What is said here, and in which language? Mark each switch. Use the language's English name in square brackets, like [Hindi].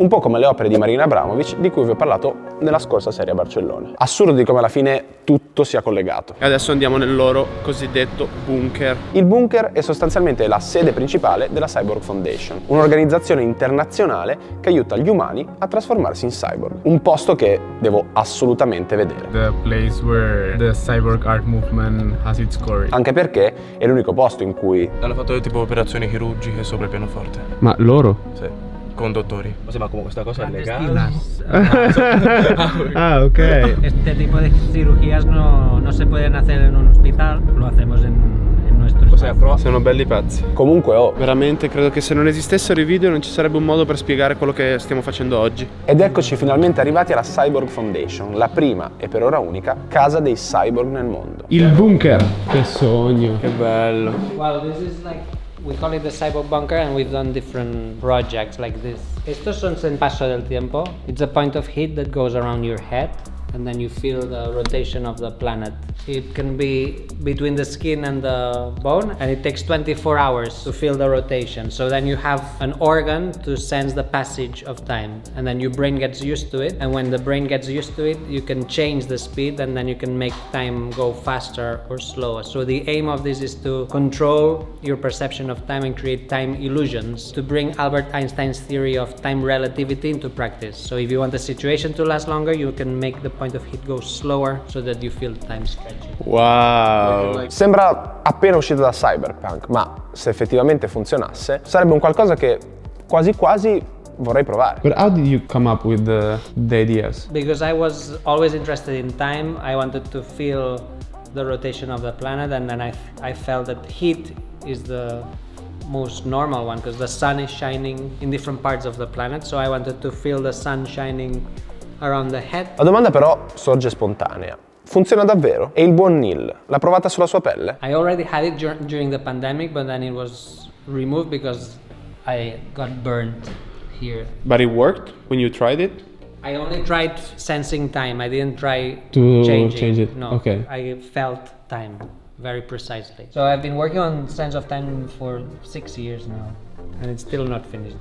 [Italian] Un po' come le opere di Marina Abramovic, di cui vi ho parlato nella scorsa serie a Barcellona. Assurdo di come alla fine tutto sia collegato. E adesso andiamo nel loro cosiddetto bunker. Il bunker è sostanzialmente la sede principale della Cyborg Foundation, un'organizzazione internazionale che aiuta gli umani a trasformarsi in cyborg. Un posto che devo assolutamente vedere. [English] The place where the cyborg art movement has its core. [Italian] Anche perché è l'unico posto in cui hanno fatto tipo operazioni chirurgiche sopra il pianoforte. Ma loro? Sì. Con dottori. Ma sì, ma come questa cosa è legale? Ah, ok. [Spanish] Este tipo de cirugías no, no se pueden hacer en un hospital, lo hacemos en [Italian] sono belli pezzi. Comunque ho veramente credo che se non esistessero i video non ci sarebbe un modo per spiegare quello che stiamo facendo oggi. Ed eccoci finalmente arrivati alla Cyborg Foundation, la prima e per ora unica casa dei cyborg nel mondo. Il bunker. Che sogno. Che bello. [English] Wow, this is like we call it the cyborg bunker and we've done different projects like this. [Italian] Questo è un passo del tempo. [English] It's a point of heat that goes around your head. And then you feel the rotation of the planet. It can be between the skin and the bone, and it takes 24 hours to feel the rotation. So then you have an organ to sense the passage of time, and then your brain gets used to it. And when the brain gets used to it, you can change the speed, and then you can make time go faster or slower. So the aim of this is to control your perception of time and create time illusions to bring Albert Einstein's theory of time relativity into practice. So if you want the situation to last longer, you can make the point of heat go slower so that you feel time stretching. Wow! [Italian] Sembra appena uscito da Cyberpunk, ma se effettivamente funzionasse, sarebbe un qualcosa che quasi quasi vorrei provare. [English] But how did you come up with the ideas? Because I was always interested in time. I wanted to feel the rotation of the planet, and then I felt that heat is the most normal one because the sun is shining in different parts of the planet. So I wanted to feel the sun shining around the head. [Italian] La domanda però sorge spontanea. Funziona davvero? E il buon Neil, l'ha provata sulla sua pelle? [English] I already had it during the pandemic, but then it was removed because I got burned here. But it worked when you tried it? I only tried sensing time. I didn't try to change it. No. Okay. I felt time very precisely. So I've been working on sense of time for 6 years now. And it's still not finished.